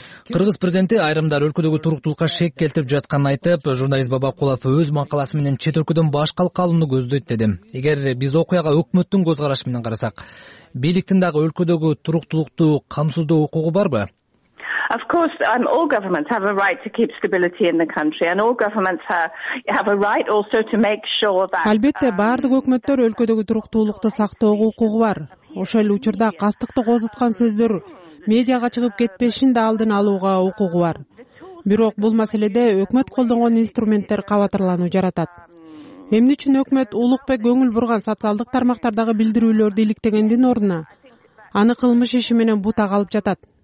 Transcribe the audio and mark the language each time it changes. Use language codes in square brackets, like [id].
[ky] Кыргыз президенти айрымдар өлкөдөгү туруктуулукка шек келтирип жатканын айтып, журналист Бабакулов өз макаласы менен чет өлкөдөн баш калкка алууну көздөйт дедим. Эгер биз окуяга өкмөттүн көз карашы менен карасак, бийликтин дагы өлкөдөгү туруктуулукту камсыздоо укугу барбы? [en] Of course, all governments have a right to keep stability in the country, and all governments have a right also to make sure that. [ky] Албетте, бардык өкмөттөр өлкөдөгү туруктуулукту сактоого укугу бар. Ошол эле учурда кастыкты козготкан сөздөр медиага чыгып кетпешин да алдын алууга укугу бар. Бирок бул маселеде өкмөт колдонгон инструменттер кабатырлануу жаратат. Эмне үчүн өкмөт Улукбек көңүл бурган социалдык тармактардагы билдирүүлөрдү иликтегендин ордуна аны кылмыш иши менен бутага алып жатат?